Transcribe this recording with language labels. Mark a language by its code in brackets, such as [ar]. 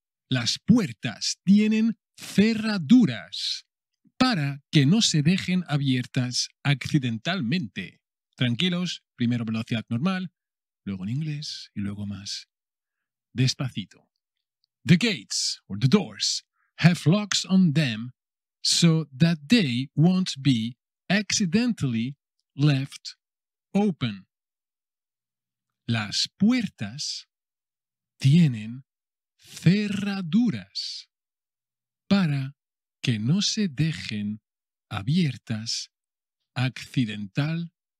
[es] Las puertas tienen cerraduras para que no se dejen abiertas accidentalmente. Tranquilos, primero velocidad normal, luego en inglés y luego más despacito. [en] The gates, or the doors, have locks on them so that they won't be accidentally left open. [es] Las puertas tienen cerraduras para que no se dejen abiertas accidentalmente.